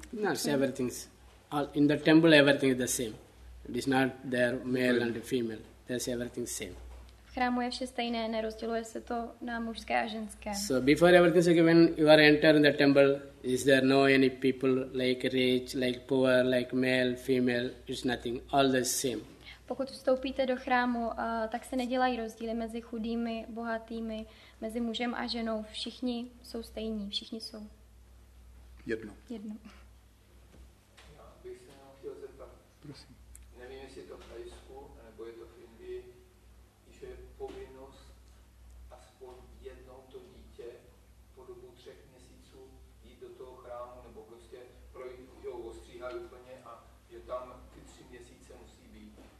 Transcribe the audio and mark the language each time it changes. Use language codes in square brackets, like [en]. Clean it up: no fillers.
[en] No, everything's in the temple everything is the same. It is not there male and female. There's everything same. [cs] V chrámu je vše stejné, nerozděluje se to na mužské a ženské. [en] So before everything, like when you are enter in the temple, is there no any people like rich, like poor, like male, female? It's nothing. All the same. [cs] Pokud vstoupíte do chrámu, tak se nedělají rozdíly mezi chudými, bohatými, mezi mužem a ženou. Všichni jsou stejní. Všichni jsou jedno. Jedno. Já bych se jenom chtěl zeptat. Prosím. Nevím, jestli je to v Thajsku, nebo je to v Indii, že je povinnost aspoň jednou to dítě po dobu 3 měsíců jít do toho chrámu, nebo prostě projít, ho ostříhají úplně a je tam ty 3 měsíce musí být.